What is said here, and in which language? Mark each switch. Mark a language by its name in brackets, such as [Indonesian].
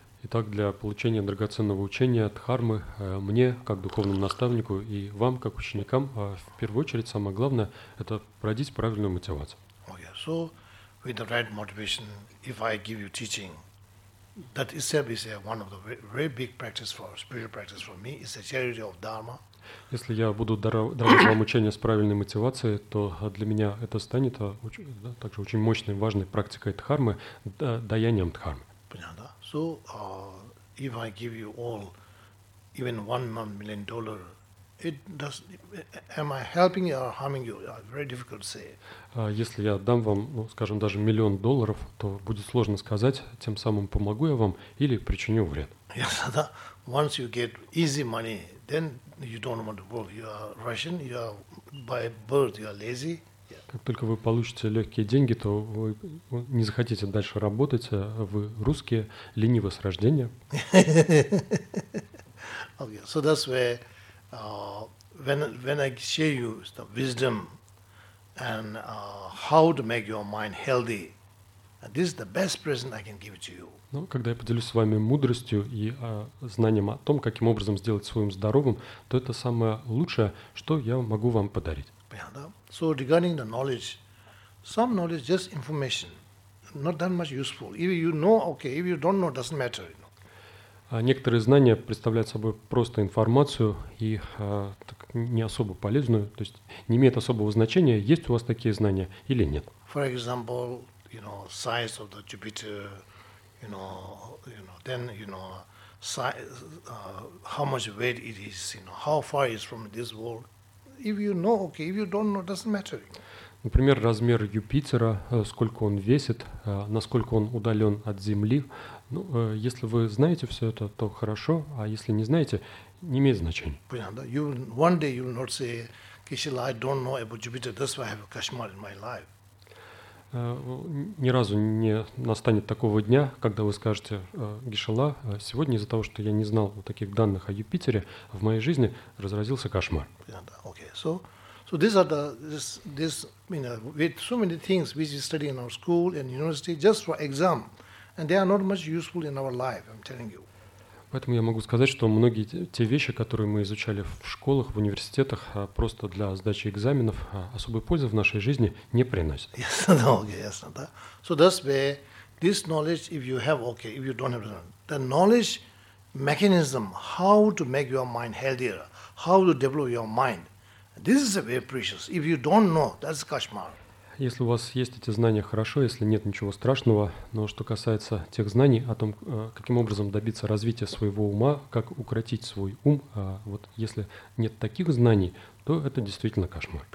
[Russian] Итак, для получения драгоценного учения от Дхармы, мне, как духовному наставнику, и вам, как ученикам, в первую очередь, самое главное, это пройдить правильную мотивацию. [English] Okay, so with the right motivation, if I give you teaching, that itself is one of the very big practice for spiritual practice for me, is the charity of Dharma. [Russian] Если я буду даровать вам учение с правильной мотивацией, то для меня это станет также очень мощной, важной практикой Дхармы, даянием Дхармы. Понятно. [English] So, if I give you all, even $1 million, it does. Am I helping you or harming you? Very difficult to say. [Russian] Если я дам вам, ну, скажем, даже миллион долларов, то будет сложно сказать, тем самым помогу я вам или причиню вред. [English] Yes, once you get easy money, then you don't want to work. You are Russian. You are by birth. You are lazy. [Russian] Как только вы получите легкие деньги, то вы не захотите дальше работать, а вы русские, ленивы с рождения. [English] Okay, so that's where when I share you the wisdom and how to make your mind healthy, this is the best present I can give to you. [Russian] Ну, когда я поделюсь с вами мудростью и знанием о том, каким образом сделать своим здоровым, то это самое лучшее, что я могу вам подарить. Понятно? [English] So regarding the knowledge, some knowledge just information, not that much useful. If you know, okay. If you don't know, doesn't matter. You know. [Russian] Некоторые знания представляют собой просто информацию и так, не особо полезную, то есть не имеет особого значения. Есть у вас такие знания или нет? [English] For example, you know, size of the Jupiter, you know, then you know, size, how much weight it is, you know, how far it is from this world. If you know, okay. If you don't know, doesn't matter. [Russian] Например, размер Юпитера, сколько он весит, насколько он удален от Земли. Ну, если вы знаете все это, то хорошо, а если не знаете, не имеет значения. Понятно. [English] You one day you will not say, Кешила, I don't know about Jupiter. That's why I have a [Russian] кошмар [English] in my life. [Russian] Ни разу не настанет такого дня, когда вы скажете, Кешила, сегодня из-за того, что я не знал вот таких данных о Юпитере, в моей жизни разразился кошмар. [English] Okay, so these are the this you know, with so many things which we study in our school and university just for exam, and they are not much useful in our life. I'm telling you. [Russian] Поэтому я могу сказать, что многие те вещи, которые мы изучали в школах, в университетах, просто для сдачи экзаменов, особой пользы в нашей жизни не приносят. [English] Yes, no, okay, yes, no, that. So that's where this knowledge, if you have, okay, if you don't have, the knowledge mechanism, how to make your mind healthier, how to develop your mind, this is very precious. If you don't know, that's [Russian] kashmar. Если у вас есть эти знания, хорошо, если нет, ничего страшного. Но что касается тех знаний о том, каким образом добиться развития своего ума, как укротить свой ум, вот если нет таких знаний, то это действительно кошмар.